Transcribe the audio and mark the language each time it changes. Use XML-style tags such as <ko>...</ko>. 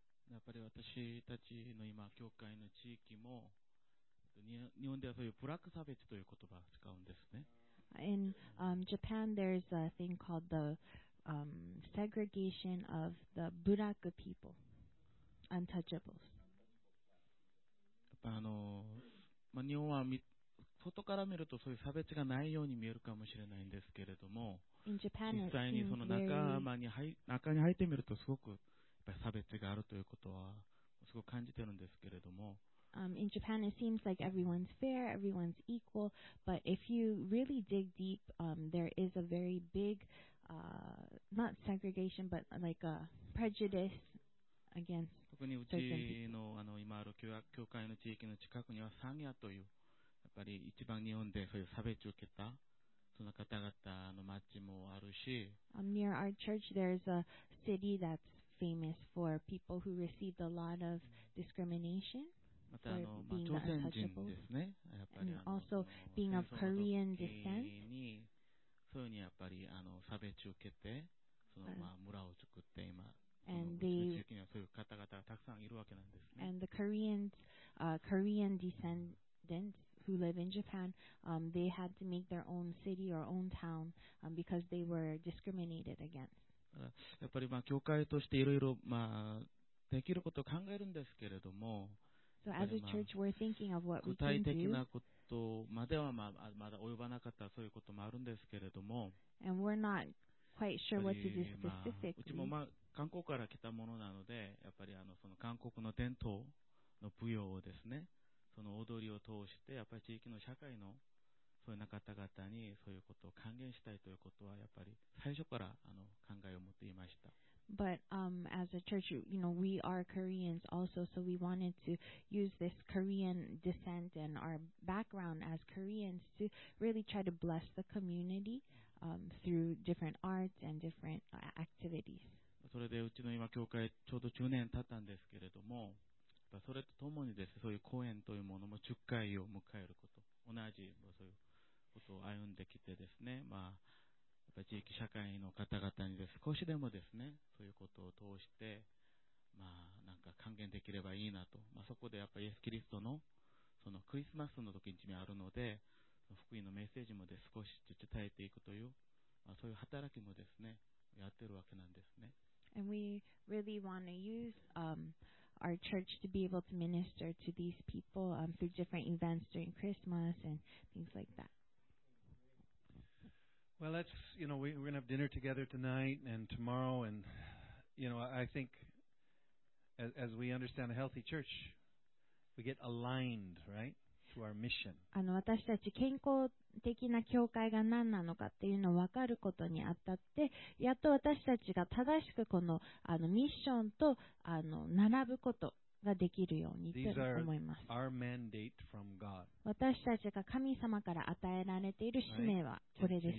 <ja>やっぱり私たちの今教会の地域も日本ではそういうブラック差別という言葉を使うんですね。</ja> <en>In Japan there's a thing called the segregation of the black people, untouchables.</en> <ja>やっぱ日本は外から見るとそういう差別がないように見えるかもしれないんですけれども、</ja> <en>In Japan,</en> <ja>実際にその仲間に中に入ってみるとすごくやっぱり差別があるということはすごく感じてるんですけれども、</ja> <en>In Japan it seems like everyone's fair, everyone's equal, but if you really dig deep, there is a very big, not segregation, but like a prejudice against certain people.</en> <ja>特にうち の今ある教会の地域の近くにはサンヤという、やっぱり一番日本でそういう差別を受けた。その方々の街もあるし、</ja> <en>near our church there's a city that's famous for people who received a lot of discrimination.</en> <ja>また朝鮮人ですね。やっぱり</ja> <en>and also being of Korean descent.</en> <ja>そういうふうにやっぱり差別を受けて、そのまあ村を作って今、地域にはそういう方々がたくさんいるわけなんですね。</ja> <en>And the Koreans, Korean descendants. Who live in Japan, they had to make their own city or own town because they were discriminated against.</en> <ja>やっぱりまあ教会としていろいろまあできることを考えるんですけれども、</ja> <en>so as a church, we're thinking of what we can do.</en> <ja>具体的なことまではまだ及ばなかったそういうこともあるんですけれども、</ja> <en>and we're not quite sure what to do specifically.</en> <ja>うちもまあ韓国から来たものなので、やっぱりその韓国の伝統の舞踊をですね。その踊りを通してやっぱり地域の社会のそういう方々にそういうことを還元したいということはやっぱり最初から考えを持っていました。</ja> <en>But as a church, you know, we are Koreans also, so we wanted to use this Korean descent and our background as Koreans to really try to bless the community through different arts and different activities.</en> <ja>それでうちの今教会ちょうど10年経ったんですけれども。それとともにですね、そういう公演というものも10回を迎えること、同じそういうことを歩んできてですね、まあ、やっぱ地域社会の方々にです、少しでもですね、そういうことを通して、まあ、なんか還元できればいいなと、まあ、そこでやっぱりイエス・キリストの、そのクリスマスの時に地味あるので、その福音のメッセージもで少し伝えていくという、まあ、そういう働きもですね、やってるわけなんですね。</ja> <en>And we really want to use, our church to be able to minister to these people through different events during Christmas and things like that. Well, that's, you know, we're going to have dinner together tonight and tomorrow. And, you know, I think as we understand a healthy church, we get aligned, right, to our mission.</en> <ja>私たち健康的な教会が何なのかっていうのを分かることにあたって、やっと私たちが正しくこの、ミッションと並ぶことができるようにと思います。</ja> <en>These are our mandate from God.</en> <ja>私たちが神様から与えられている使命はこれです。</ja>